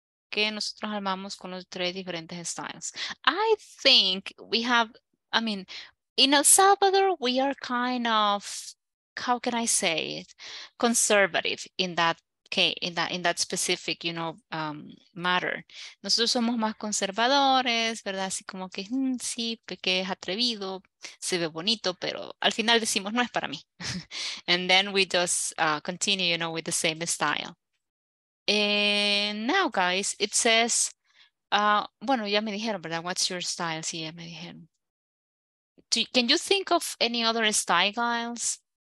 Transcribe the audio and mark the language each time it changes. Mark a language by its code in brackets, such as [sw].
[es] Que nosotros armamos con los tres diferentes styles. [en] I think we have, I mean, in El Salvador we are kind of, how can I say it? Conservative in that case, in that specific, you know, matter. [es] Nosotros somos más conservadores, ¿verdad? Así como que sí, que es atrevido, se ve bonito, pero al final decimos no es para mí. [en] And then we just continue, you know, with the same style. And now, guys, it says, [es] bueno, ya me dijeron, ¿verdad? [en] What's your style? [es] Sí, ya me dijeron. [en] Can you think of any other style, guys?